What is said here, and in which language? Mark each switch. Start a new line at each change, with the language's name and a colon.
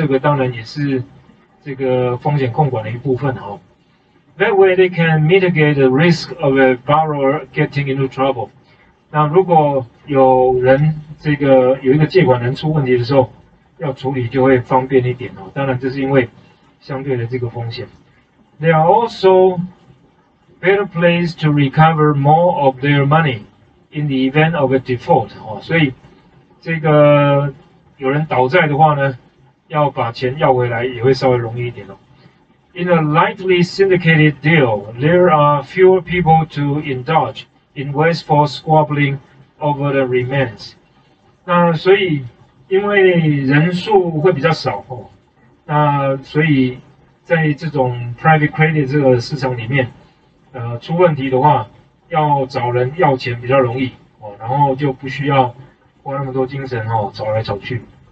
Chinese: 这个当然也是这个风险控管的一部分哦。
English: That way they can mitigate the risk of a borrower getting into trouble。
Chinese: 那如果有人这个有一个借款人出问题的时候，要处理就会方便一点哦。当然这是因为相对的这个风险。
English: They are also better placed to recover more of their money in the event of a default 哦。
Chinese: 所以这个有人倒债的话呢，要把钱要回来也会稍微容易一点哦。
English: In a lightly syndicated deal, there are fewer people to indulge in wasteful squabbling over the remains。
Chinese: 那所以，因为人数会比较少哦，那所以在这种 private credit 这个市场里面，出问题的话，要找人要钱比较容易哦，然后就不需要花那么多精神哦，找来找去。